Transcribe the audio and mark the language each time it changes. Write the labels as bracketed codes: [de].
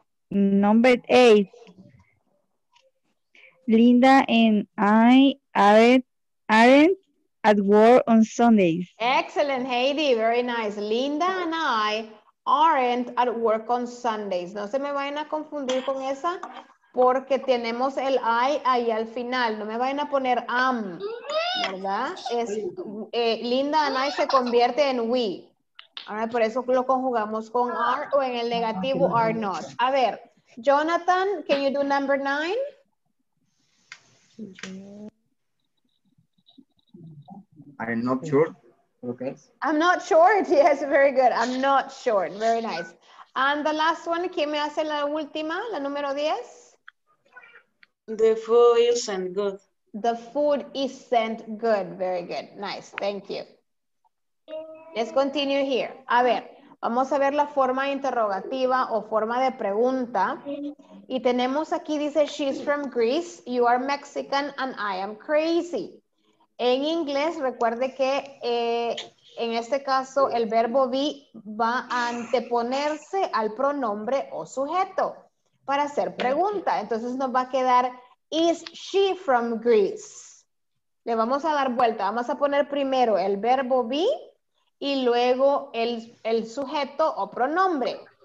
[en] Number eight, Linda and I aren't at work on Sundays. Excellent, Heidi, very nice. Linda and I aren't at work on Sundays. [es] No se me vayan a confundir con esa porque tenemos el I ahí al final. No me vayan a poner am, ¿verdad? Es, Linda and I se convierte en we. Ahora por eso lo conjugamos con are o en el negativo are not. A ver. [en] Jonathan, can you do number nine? I'm not sure. Okay. I'm not short. Yes, very good. I'm not short. Very nice. And the last one, [es] ¿quién me hace la última? La número 10. [en] The food isn't good. The food isn't good. Very good. Nice. Thank you. Let's continue here. [es] A ver, vamos a ver la forma interrogativa o forma de pregunta. Y tenemos aquí, dice, [en] she's from Greece, you are Mexican, and I am crazy. [es] En inglés, recuerde que en este caso el verbo be va a anteponerse al pronombre o sujeto para hacer pregunta. Entonces nos va a quedar, [en] is she from Greece? [es] Le vamos a dar vuelta. Vamos a poner primero el verbo be y luego el sujeto o pronombre.